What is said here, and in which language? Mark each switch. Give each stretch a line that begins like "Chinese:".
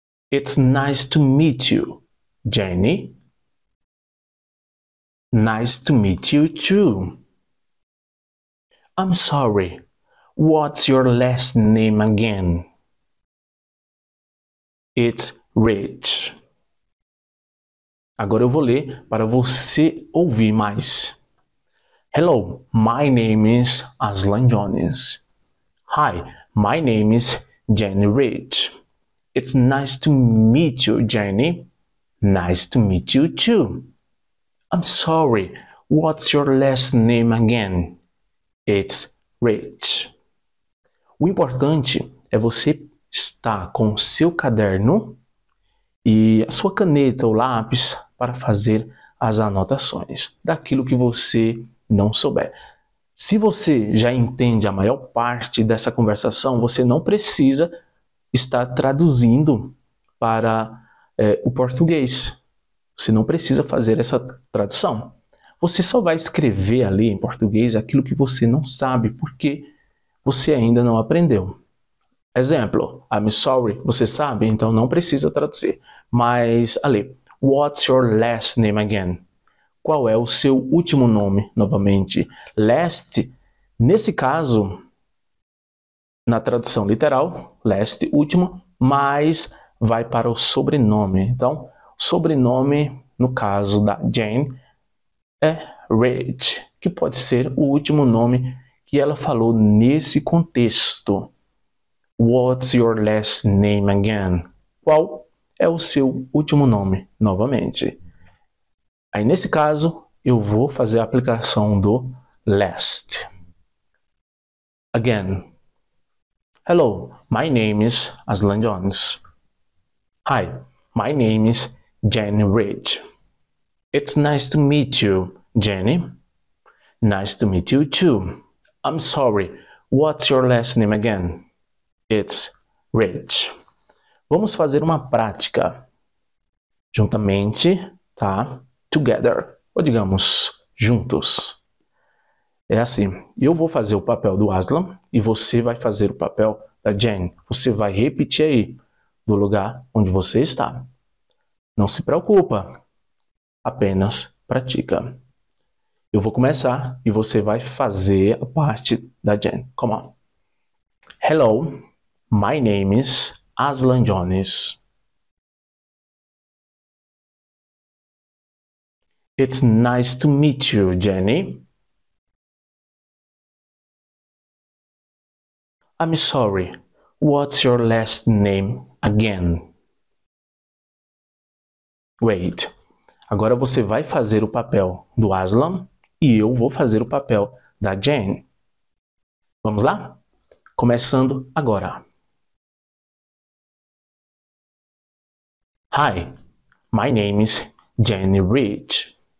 English: It's nice to meet you, Jenny. Nice to meet you too. I'm sorry. What's your last name again? It's Rich.
Portuguese: Agora eu vou ler para você ouvir mais.
English: Hello, my name is Aslan Jones. Hi, my name is Jenny Rich. It's nice to meet you, Jenny. Nice to meet you too. I'm sorry, what's your last name again? It's Rich.
Portuguese: O importante é você estar com seu caderno e a sua caneta ou lápis para fazer as anotações daquilo que você não souber. Se você já entende a maior parte dessa conversação, você não precisa estar traduzindo para o português. Você não precisa fazer essa tradução. Você só vai escrever ali em português aquilo que você não sabe, porque você ainda não aprendeu. Exemplo,
English: I'm sorry,
Portuguese: você sabe? Então não precisa traduzir. Mas ali,
English: what's your last name again?
Portuguese: Qual é o seu último nome? Novamente, last. Nesse caso, na tradução literal, last, último, mas vai para o sobrenome. Então, sobrenome, no caso da Jane, é Rich, que pode ser o último nome que ela falou nesse contexto.
English: What's your last name again?
Portuguese: Qual é o seu último nome, novamente? Aí, nesse caso, eu vou fazer a aplicação do last.
English: Again. Hello, my name is Aslan Jones. Hi, my name is Jenny Ridge. It's nice to meet you, Jenny. Nice to meet you too. I'm sorry, what's your last name again? It's Ridge.
Portuguese: Vamos fazer uma prática juntamente, tá? Together, ou digamos, juntos. É assim, eu vou fazer o papel do Aslan e você vai fazer o papel da Jane. Você vai repetir aí do lugar onde você está. Não se preocupa, apenas pratica. Eu vou começar e você vai fazer a parte da Jane.
English: Come on. Hello, my name is Aslan Jones. It's nice to meet you, Jenny. I'm sorry. What's your last name again? Wait.
Portuguese: Agora você vai fazer o papel do Aslan e eu vou fazer o papel da Jane. Vamos lá? Começando agora.
English: Hi. My name is Jenny Rich.